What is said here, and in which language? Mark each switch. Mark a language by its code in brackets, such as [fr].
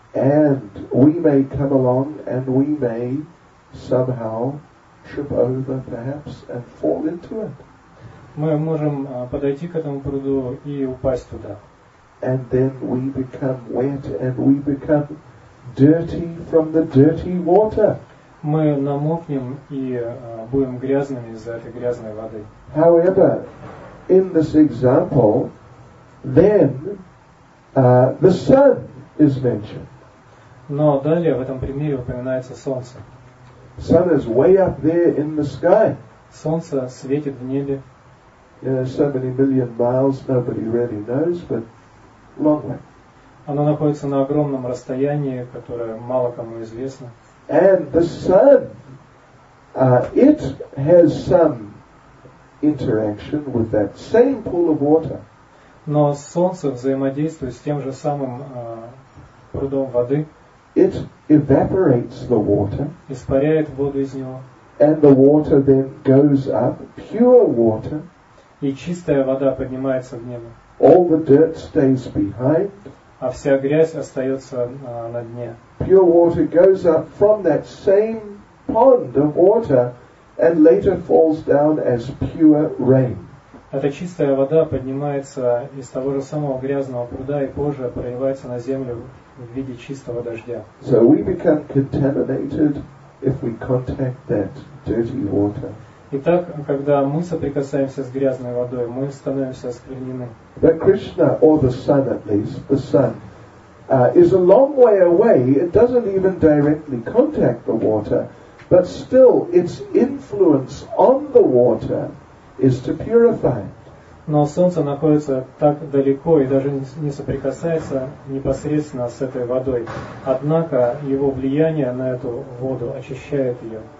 [en] And we may come along and we may somehow trip over perhaps and fall into it. [ru] Мы можем подойти к этому пруду и упасть туда. [en] And then we become wet and we become dirty from the dirty water. [ru] Мы намокнем и будем грязными из-за этой грязной воды. [en] However, in this example, then the sun is mentioned. [ru] Но далее в этом примере упоминается солнце. [en] Sun is way up there in the sky. [ru] Солнце светит в небе. [en] So many million miles, nobody really knows, but long way. [ru] Оно находится на огромном расстоянии, которое мало кому известно. [en] And the sun, it has some interaction with that same pool of water. [ru] Но солнце взаимодействует с тем же самым прудом воды. [en] It evaporates the water. [ru] Испаряет воду из него. [en] And the water then goes up, pure water. [ru] И чистая вода поднимается в небо. [en] All the dirt stays behind. [ru] А вся грязь остается на дне. [en] Pure water goes up from that same pond of water and later falls down as pure rain. [ru] Эта чистая вода поднимается из того же самого грязного пруда и позже проливается на землю в виде чистого дождя. [en] So we become contaminated if we contact that dirty water. [ru] Итак, когда мы соприкасаемся с грязной водой, мы становимся осквернены. [en] But Krishna, or the sun at least, the sun, is a long way away. It doesn't even directly contact the water, but still its influence on the water is to purify it. [ru] Но солнце находится так далеко и даже не соприкасается непосредственно с этой водой. Однако его влияние на эту воду очищает ее.